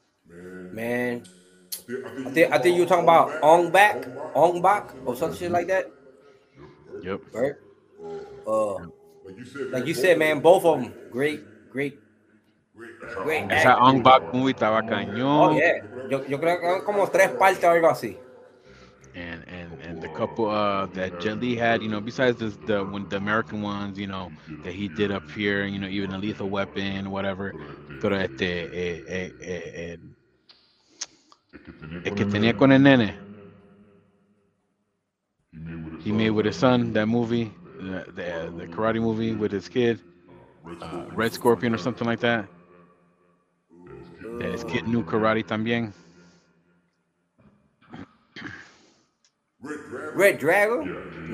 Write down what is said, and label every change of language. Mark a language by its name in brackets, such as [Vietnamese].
[English] Man, I think you're talking about Ong Bak or something like that. Yep. Right. Like you said, man, both of them great. [Spanish] Es a Ong Bak movie, estaba cañón. Oh yeah, yo creo que como tres partes o algo así. [English] And the couple that Jet Li had, you know, besides the American ones, you know, that he did up here, you know, even a Lethal Weapon, whatever. [Spanish] Pero este, el que tenía con el nene. [English] He made with his son that movie, the karate movie with his kid. Red Scorpion or something like that. That's Kid New Karate también. Red Dragon?